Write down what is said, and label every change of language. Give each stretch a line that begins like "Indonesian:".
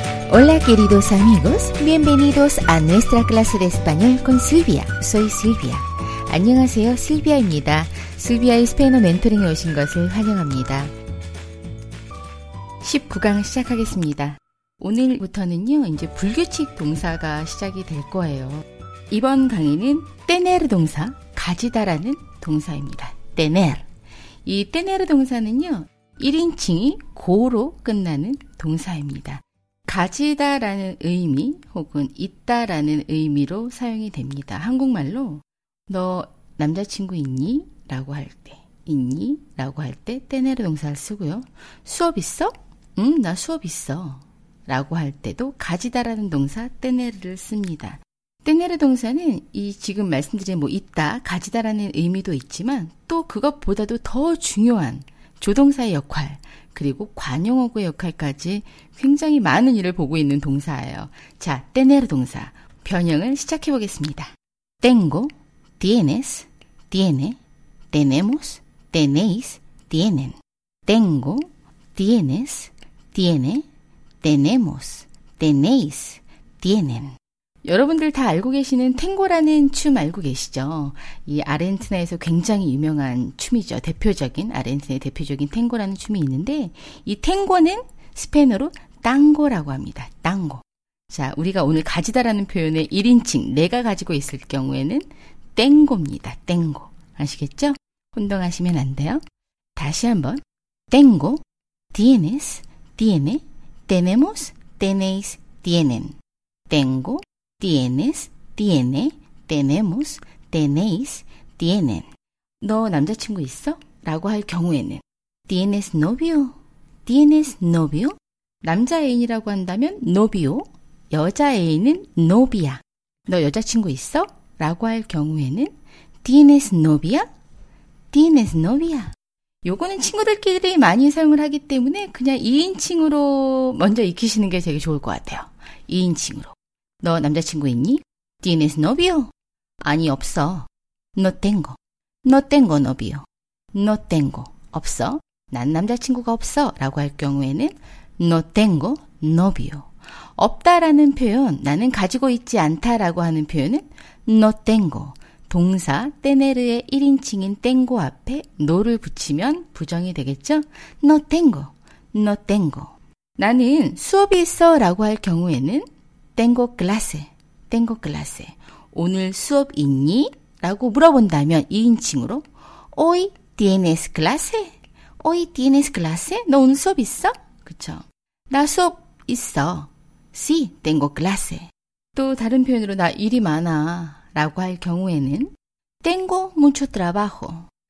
Spanish: Hola queridos amigos, bienvenidos a nuestra clase de español con Silvia. Soy Silvia.
Korean: 안녕하세요, 실비아입니다. 실비아의 스페인어 멘토링에 오신 것을 환영합니다. 19강 시작하겠습니다. 오늘부터는요, 이제 불규칙 동사가 시작이 될 거예요. 이번 강의는 tener 동사, 가지다라는 동사입니다.
Spanish: tener.
Korean: 이 tener 동사는요, 1인칭이 고로 끝나는 동사입니다. 가지다라는 의미 혹은 있다라는 의미로 사용이 됩니다. 한국말로 너 남자친구 있니? 라고 할 때 있니? 라고 할 때 떼내르 동사를 쓰고요. 수업 있어? 응, 나 수업 있어. 라고 할 때도 가지다라는 동사 떼내르를 씁니다. 떼내르 동사는 이 지금 말씀드린 뭐 있다, 가지다라는 의미도 있지만 또 그것보다도 더 중요한 조동사의 역할 그리고 관용어구의 역할까지 굉장히 많은 일을 보고 있는 동사예요. 자, tener 동사 변형을 시작해 보겠습니다.
Spanish: Tengo, tienes, tiene, tenemos, tenéis, tienen. Tengo, tienes, tiene, tenemos, tenéis, tienen.
Korean: 여러분들 다 알고 계시는 탱고라는 춤 알고 계시죠? 이 아르헨티나에서 굉장히 유명한 춤이죠. 대표적인 아르헨티나의 대표적인 탱고라는 춤이 있는데 이 탱고는 스페인어로 땅고라고 합니다. 땅고. 자, 우리가 오늘 가지다라는 표현의 1인칭 내가 가지고 있을 경우에는 땡고입니다. 땡고. 아시겠죠? 혼동하시면 안 돼요. 다시 한번
Spanish: 땡고 tienes, tiene, tenemos, tenéis, tienen. Tengo Tienes, tiene, tenemos, tenéis, tienen.
Korean: 너 남자친구 있어? 라고 할 경우에는
Spanish: Tienes novio? Tienes novio?
Korean: 남자 애인이라고 한다면 novio, 여자 애인은 novia. 너 여자친구 있어? 라고 할 경우에는
Spanish: Tienes novia? Tienes novia?
Korean: 요거는 친구들끼리 많이 사용을 하기 때문에 그냥 2인칭으로 먼저 익히시는 게 되게 좋을 것 같아요.
Spanish: 2인칭으로.
Korean: 너 남자친구 있니?
Spanish: Tienes novio?
Korean: 아니, 없어.
Spanish: No tengo. No tengo novio. No tengo.
Korean: 없어. 난 남자친구가 없어. 라고 할 경우에는
Spanish: No tengo novio.
Korean: 없다라는 표현, 나는 가지고 있지 않다라고 하는 표현은 No tengo. 동사, 떼네르의 1인칭인 tengo 앞에 no를 붙이면 부정이 되겠죠?
Spanish: No tengo. No tengo.
Korean: 나는 수업이 있어. 라고 할 경우에는
Spanish: Tengo clase, tengo clase.
Korean: 오늘 수업 있니? 라고 물어본다면 2인칭으로
Spanish: Hoy tienes clase? Hoy tienes clase?
Korean: 너 오늘 수업 있어? 그쵸? 나 수업 있어.
Spanish: Sí, tengo clase.
Korean: 또 다른 표현으로 나 일이 많아 라고 할 경우에는
Spanish: Tengo mucho trabajo.